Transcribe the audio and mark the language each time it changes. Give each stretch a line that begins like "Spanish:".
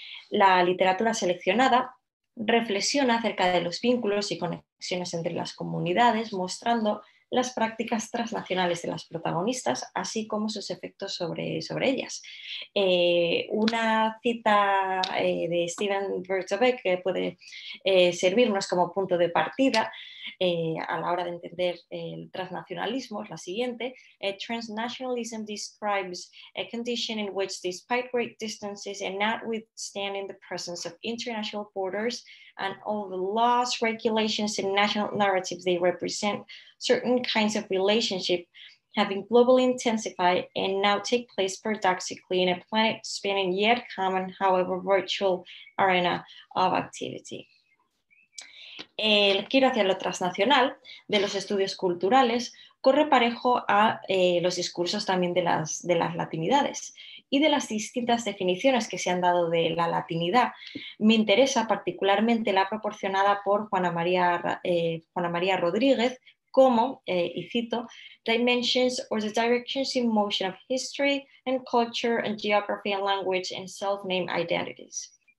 Spanish: La literatura seleccionada reflexiona acerca de los vínculos y conexiones entre las comunidades, mostrando las prácticas transnacionales de las protagonistas, así como sus efectos sobre ellas. Una cita de Steven Berzovec que puede servirnos como punto de partida a la hora de entender el transnacionalismo es la siguiente.
English: Transnationalism describes a condition in which, despite great distances and notwithstanding the presence of international borders and all the laws, regulations, and national narratives they represent, certain kinds of relationship having globally intensified and now take place paradoxically in a planet spanning yet common, however virtual, arena of activity.
Spanish: El giro hacia lo transnacional de los estudios culturales corre parejo a los discursos también de las latinidades y de las distintas definiciones que se han dado de la latinidad. Me interesa particularmente la proporcionada por Juana María Rodríguez, como, y cito,
English: dimensions or the directions in motion of history and culture and geography and language and self-named identities.